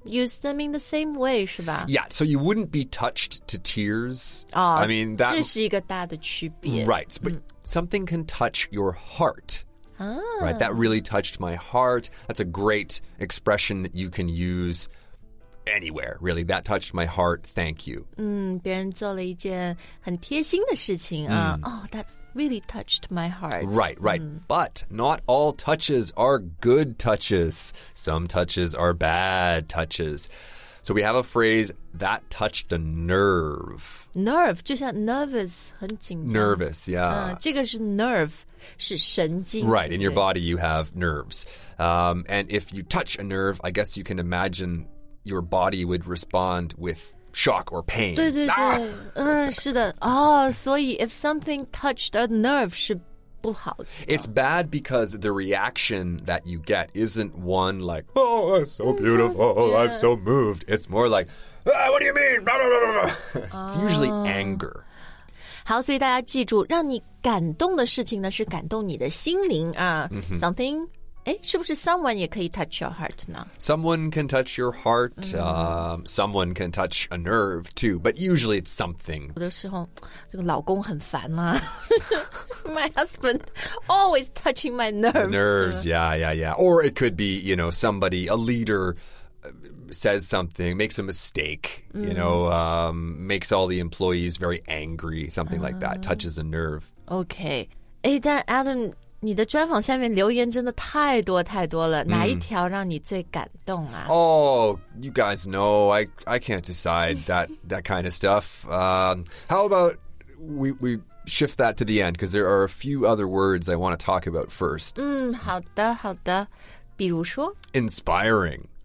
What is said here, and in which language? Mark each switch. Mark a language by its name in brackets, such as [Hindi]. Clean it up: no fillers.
[English] use them in the same way [Chinese] 是吧 [English] yeah so you wouldn't be touched to tears、 I mean that [Chinese] 这是一个大的区别 [English] right but、mm. something can touch your heart、right that really touched my heart that's a great expression that you can use anywhere, really. That touched my heart. Thank you. [Chinese] 别人做了一件很贴心的事情啊。 [English] Oh, that really touched my heart. Right, right. But not all touches are good touches. Some touches are bad touches. So we have a phrase, that touched a nerve. [Chinese] Nerve, 就像 nervous, 很紧张。 [English] Nervous, yeah. [Chinese] 这个是 nerve. 是神经 [English] Right, in your body you have nerves. And if you touch a nerve, I guess you can imagine your body would respond with shock or pain. [Chinese] 对对对、是的、所以 [English] if something touched a nerve [Chinese] 是不好的 [English] It's bad because the reaction that you get isn't one like, oh, that's so beautiful, yeah. I'm so moved. It's more like, what do you mean? Blah, blah, blah, blah. It's usually anger. [Chinese] 好，所以大家记住，让你感动的事情呢，是感动你的心灵啊。 Something, 是不是 someone 也可以 [English] touch your heart [Chinese] 呢？ [English] Someone can touch your heart,、someone can touch a nerve too, but usually it's something. [Chinese] 有的时候，这个老公很烦啊。 [English] My husband always touching my nerve. The nerves, yeah, yeah, yeah. Or it could be, you know, somebody, a leader,says something, makes a mistake, you know, makes all the employees very angry, something like that, touches a nerve. Okay. [Chinese] 但 Adam, 你的专访下面留言真的太多太多了。哪一条让你最感动啊？ [English] Oh, you guys know, I can't decide that kind of stuff. How about we shift that to the end, because there are a few other words I want to talk about first. [Chinese] 好的好的。比如说? [English] Inspiring.